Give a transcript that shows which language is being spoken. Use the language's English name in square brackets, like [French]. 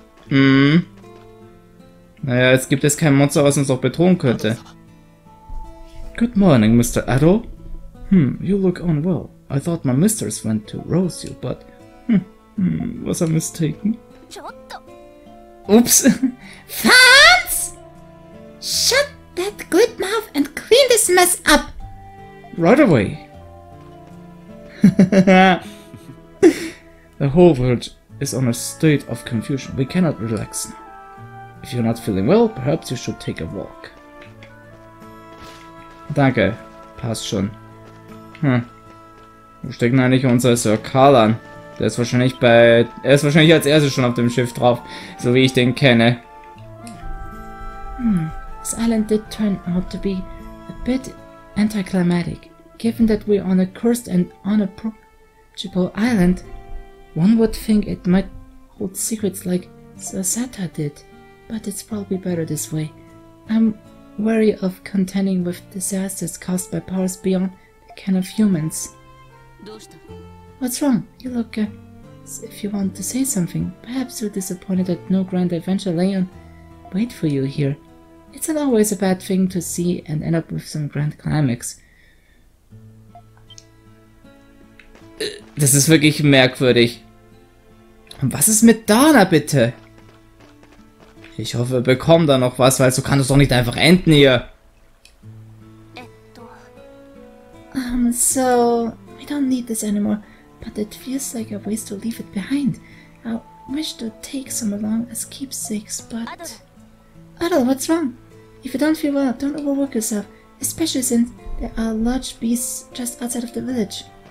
[German] Naja, jetzt gibt es kein Monster, was uns auch bedrohen könnte. [English] Good morning, Mr. Adol. You look unwell. I thought my mistress went to rouse you, but... was I mistaken? Oops! Franz! Shut that good mouth and clean this mess up! Right away! The whole world is on a state of confusion. We cannot relax now. If you're not feeling well, perhaps you should take a walk. [German] Danke, passt schon. Wo steckt denn eigentlich unser Sir Karl an? Der ist wahrscheinlich bei... Er ist wahrscheinlich als erstes schon auf dem Schiff drauf, so wie ich den kenne. [English] This island did turn out to be a bit anticlimactic. Given that we're on a cursed and unapproachable island, one would think it might hold secrets like Sasata did, but it's probably better this way. I'm wary of contending with disasters caused by powers beyond the ken of humans. What's wrong? You look as if you want to say something. Perhaps you're disappointed that no grand adventure lay on wait for you here. It's not always a bad thing to see and end up with some grand climax. [German] Das ist wirklich merkwürdig. Und was ist mit Dana, bitte? Ich hoffe, wir bekommen da noch was, weil so kann das doch nicht einfach enden hier. [English] So, we don't need this anymore, but it feels like a waste to leave it behind. I wish to take some along as keepsakes, but... Adol, what's wrong? If you don't feel well, don't overwork yourself, especially since there are large beasts just outside of the village.